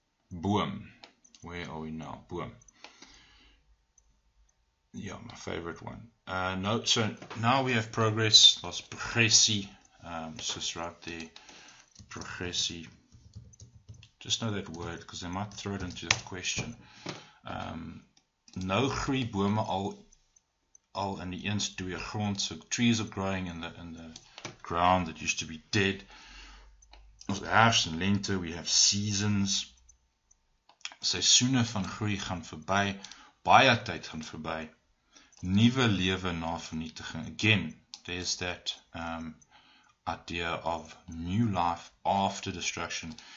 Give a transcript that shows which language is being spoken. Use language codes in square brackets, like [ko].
[en] Boom. Where are we now? Boom. Yeah, my favorite one. So now we have progress. That's progressie. It's just right there. Progressie. Just know that word because they might throw it into the question. [af] Nou groei bome al in die eens dooie grond. [en] So trees are growing in the ground that used to be dead. [af] Ons herfst en lente. [en] We have seasons. [af] Seisoene van groei gaan verby, baie tyd gaan verby, nuwe lewe na vernietiging. [en] Again, there's that idea of new life after destruction.